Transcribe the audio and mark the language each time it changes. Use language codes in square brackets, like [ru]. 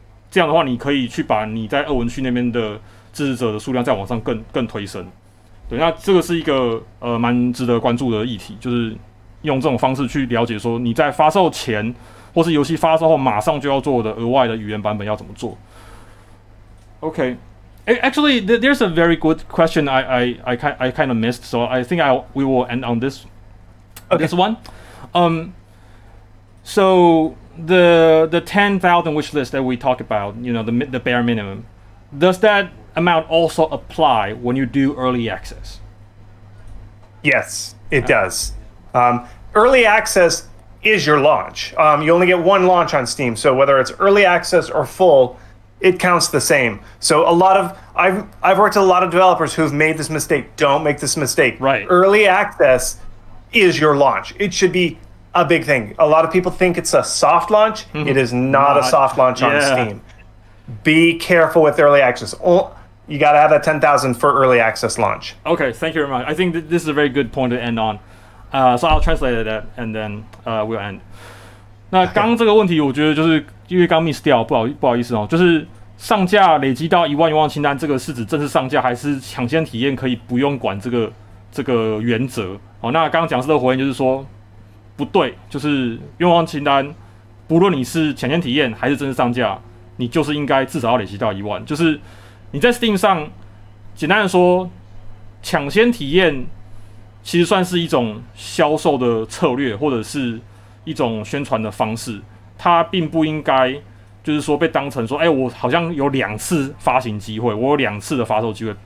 [zh] 这样的话你可以去把你在二文区那边的支持者的数量再往上 更推升。对，那这个是一个蛮值得关注的议题，就是用这种方式去了解说你在发售前或是游戏发售后马上就要做的额外的语言版本要怎么做。 [en] OK, actually there's a very good question I kind of missed, so I think we will end on this、 okay. this one. So the 10,000 wish list that we talked about, you know, the bare minimum, does that amount also apply when you do early access? Yes, it does. Early access is your launch. You only get one launch on Steam, so whether it's early access or full, it counts the same. So a lot of, I've worked with a lot of developers who've made this mistake. Don't make this mistake. Right. Early access is your launch. It should be a big thing. A lot of people think it's a soft launch. Mm-hmm. It is not a soft launch on Steam. Be careful with early access. You got to have that 10,000 for early access launch. Okay, thank you very much. I think this is a very good point to end on. So I'll translate that and then we'll end. [zh] 那刚这个问题我觉得就是因为刚 miss 掉，不好意思哦，就是上架累积到10,000清单，这个是指正式上架还是抢先体验可以不用管这个原则？好，那刚刚讲师的回应就是说不对，就是愿望清单不论你是抢先体验还是正式上架，你就是应该至少要累积到10,000，就是你在 Steam 上简单的说抢先体验其实算是一种销售的策略或者是一种宣传的方式，它并不应该就是说被当成说，哎，我好像有两次发行机会，我有两次的发售机会。